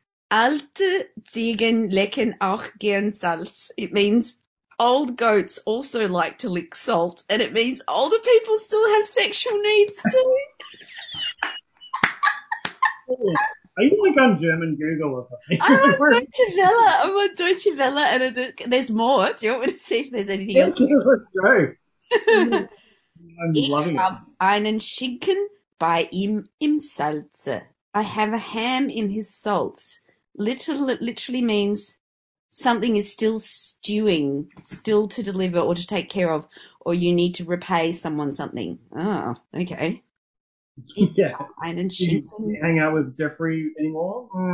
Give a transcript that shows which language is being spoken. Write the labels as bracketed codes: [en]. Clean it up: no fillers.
[de] Alte Ziegen lecken auch gern Salz. [en] It means old goats also like to lick salt, and it means older people still have sexual needs too. Are you like on German Google or something? I'm on Deutsche Welle, and there's more. Do you want me to see if there's anything else? Yeah, let's go. I'm loving it. [de] Einen Schinken bei ihm im Salze. [en] I have a ham in his salts. Literally means something is still stewing, still to deliver or to take care of, or you need to repay someone something. Oh, okay. Yeah. [de] Einen Schinken. [en] Do you hang out with Jeffrey anymore?